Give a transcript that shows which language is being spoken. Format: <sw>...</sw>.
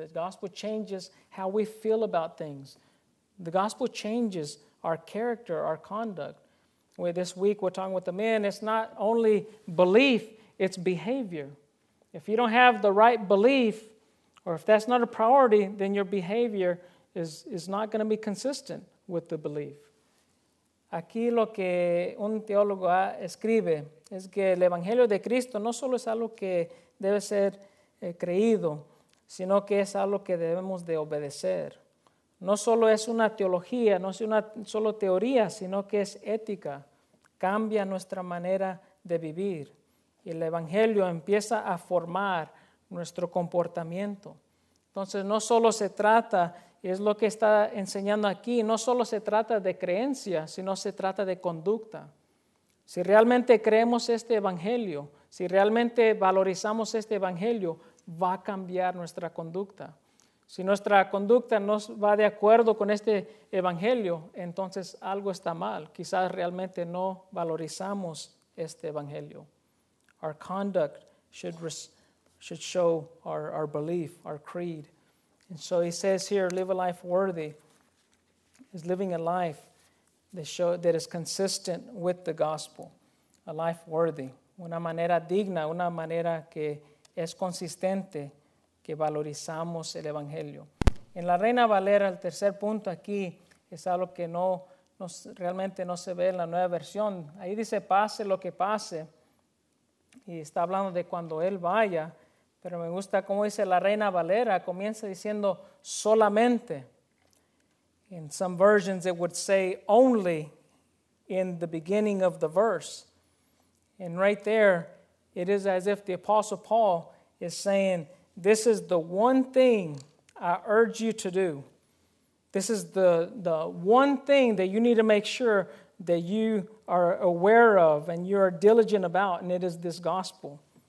<en>The gospel changes how we feel about things. The gospel changes our character, our conduct. Where this week we're talking with the men, it's not only belief, it's behavior. If you don't have the right belief, or if that's not a priority, then your behavior is not going to be consistent with the belief.</en> <es>Aquí lo que un teólogo escribe es que el Evangelio de Cristo no solo es algo que debe ser creído, sino que es algo que debemos de obedecer. No solo es una teología, no es una solo teoría, sino que es ética. Cambia nuestra manera de vivir. Y el Evangelio empieza a formar nuestro comportamiento. Entonces, no solo se trata, es lo que está enseñando aquí, no solo se trata de creencia, sino se trata de conducta. Si realmente creemos este Evangelio, si realmente valorizamos este Evangelio, va a cambiar nuestra conducta. Si nuestra conducta no va de acuerdo con este Evangelio, entonces algo está mal. Quizás realmente no valorizamos este Evangelio.</es> <en>Our conduct should show our belief, our creed. And so he says here, live a life worthy is living a life that is consistent with the gospel. A life worthy.</en> <es>Una manera digna, una manera que es consistente, que valorizamos el Evangelio. En la Reina Valera, el tercer punto aquí, es algo que no realmente no se ve en la nueva versión. Ahí dice, pase lo que pase. Y está hablando de cuando él vaya. Pero me gusta cómo dice la Reina Valera, comienza diciendo solamente.</es> <en>In some versions it would say only in the beginning of the verse. And right there, it is as if the Apostle Paul is saying, this is the one thing I urge you to do. This is the one thing that you need to make sure that you are aware of and you are diligent about, and it is this gospel.</en>